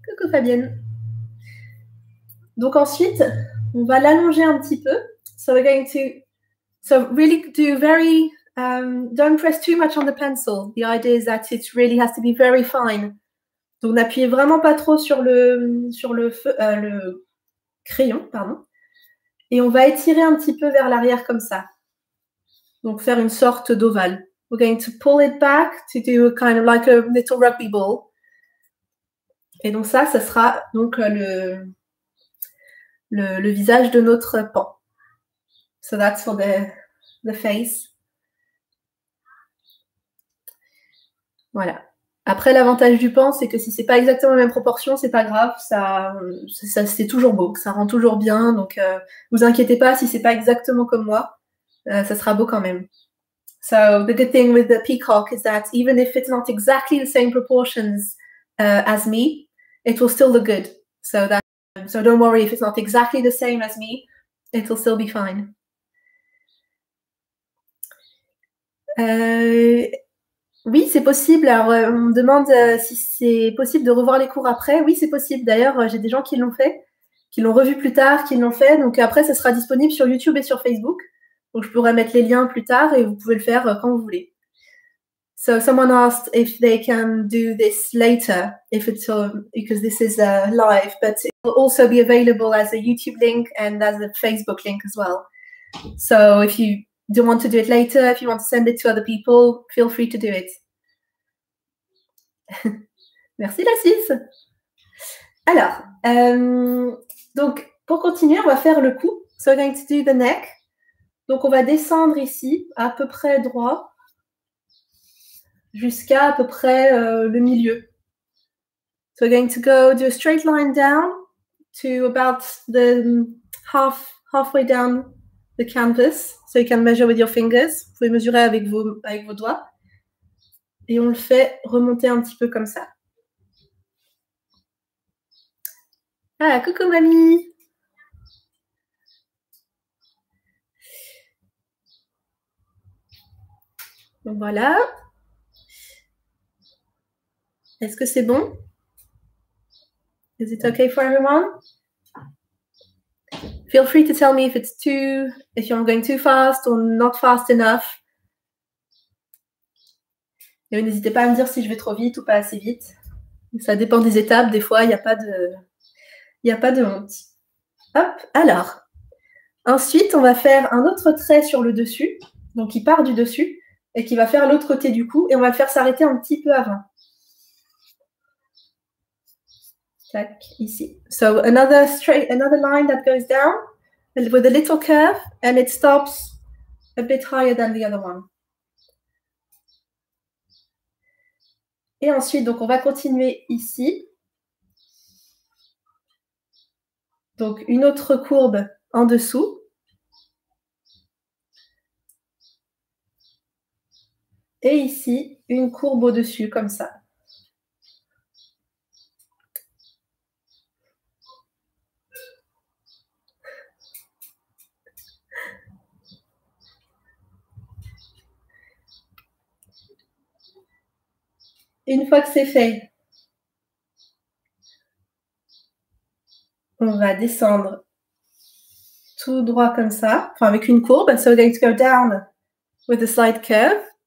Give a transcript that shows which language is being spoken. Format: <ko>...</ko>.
<fr>Fabienne. Donc ensuite, on va l'allonger un petit peu.</fr> <en>So we're going to, so really do very, don't press too much on the pencil. The idea is that it really has to be very fine.</en> <fr>Donc n'appuyez vraiment pas trop sur le crayon, pardon. Et on va étirer un petit peu vers l'arrière comme ça. Donc faire une sorte d'ovale.</fr> <en>We're going to pull it back to do a kind of like a little rugby ball.</en> <fr>Et donc ça sera donc le visage de notre pan.</fr> <en>So that's for the face.</en> <fr>Voilà. Après, l'avantage du pan, c'est que si c'est pas exactement la même proportion, c'est pas grave. Ça c'est toujours beau, ça rend toujours bien. Donc vous inquiétez pas si c'est pas exactement comme moi, ça sera beau quand même.</fr> <en>So the good thing with the peacock is that even if it's not exactly the same proportions as me, it will still look good. So don't worry if it's not exactly the same as me, it will still be fine.</en> <fr>Oui, c'est possible. Alors, on me demande si c'est possible de revoir les cours après. Oui, c'est possible. D'ailleurs, j'ai des gens qui l'ont fait, qui l'ont revu plus tard, qui l'ont fait. Donc après, ça sera disponible sur YouTube et sur Facebook. Donc je pourrai mettre les liens plus tard et vous pouvez le faire quand vous voulez.</fr> <en>So someone asked if they can do this later, if it's because this is live, but it will also be available as a YouTube link and as a Facebook link as well. So if you don't want to do it later, if you want to send it to other people, feel free to do it.</en> <fr>Merci, Lassis. Alors, donc pour continuer, on va faire le cou.</fr> <en>So we're going to do the neck.</en> <fr>Donc on va descendre ici à peu près droit, jusqu'à à peu près le milieu.</fr> <en>So we're going to go do a straight line down to about the halfway down the canvas, so you can measure with your fingers.</en> <fr>Vous pouvez mesurer avec vos doigts. Et on le fait remonter un petit peu comme ça. Ah, coucou mamie! Voilà. Est-ce que c'est bon?</fr> <en>Is it okay for everyone? Feel free to tell me if it's too, if you're going too fast or not fast enough.</en> <fr>Et n'hésitez pas à me dire si je vais trop vite ou pas assez vite. Ça dépend des étapes. Des fois, il n'y a pas de honte. Hop, alors. Ensuite, on va faire un autre trait sur le dessus. Donc, qui part du dessus et qui va faire l'autre côté du cou. Et on va le faire s'arrêter un petit peu avant. Tac, ici.</fr> <en>So another straight, another line that goes down with a little curve and it stops a bit higher than the other one.</en> <fr>Et ensuite, donc on va continuer ici. Donc une autre courbe en dessous. Et ici, une courbe au-dessus, comme ça. Une fois que c'est fait, on va descendre tout droit comme ça, enfin avec une courbe.</fr> <en>So we're going to go down with a slight curve.</en>